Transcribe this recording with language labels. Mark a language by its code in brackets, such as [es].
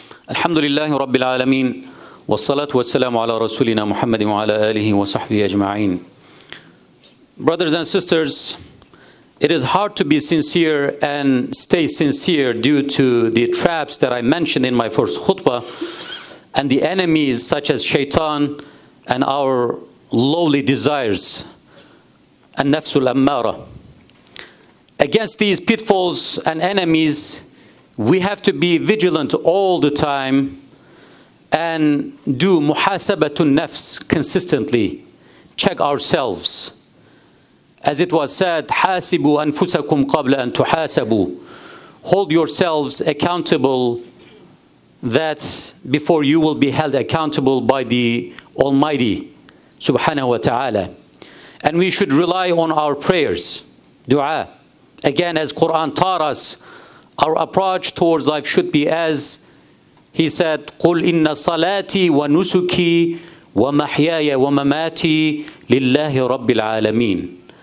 [ar] الحمد لله رب العالمين والصلاة والسلام على رسولنا محمد وعلى آله وصحبه أجمعين. [en] Brothers and sisters, it is hard to be sincere and stay sincere due to the traps that I mentioned in my first khutbah and the enemies such as shaitan and our lowly desires and nafs al-ammara. Against these pitfalls and enemies, we have to be vigilant all the time and do muhasabatun nafs consistently. Check ourselves. As it was said, [ar] حاسبوا أنفسكم قبل أن تحاسبوا. [en] Hold yourselves accountable that before you will be held accountable by the Almighty, subhanahu wa ta'ala. And we should rely on our prayers, dua. Again, as Quran taught us, our approach towards life should be as he said, [ar] قُلْ إِنَّ صَلَاتِي وَنُسُكِي وَمَحْيَايَ وَمَمَاتِي لِلَّهِ رَبِّ الْعَالَمِينَ.